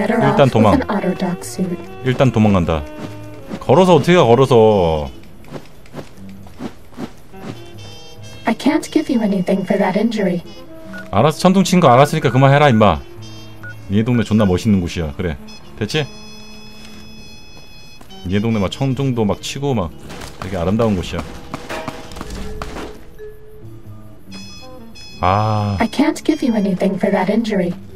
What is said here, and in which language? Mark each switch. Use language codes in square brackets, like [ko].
[ko] 일단 도망. 일단 도망간다. 걸어서 어떻게 가, 걸어서. [en] I can't give you anything for that injury. [ko] 알았어, 천둥 친 거 알았으니까 그만해라 임마. 니네 동네 존나 멋있는 곳이야. 그래, 됐지? 니네 동네 막 천둥도 막 치고 막 되게 아름다운 곳이야. 아, [en] I can't give you anything for that injury.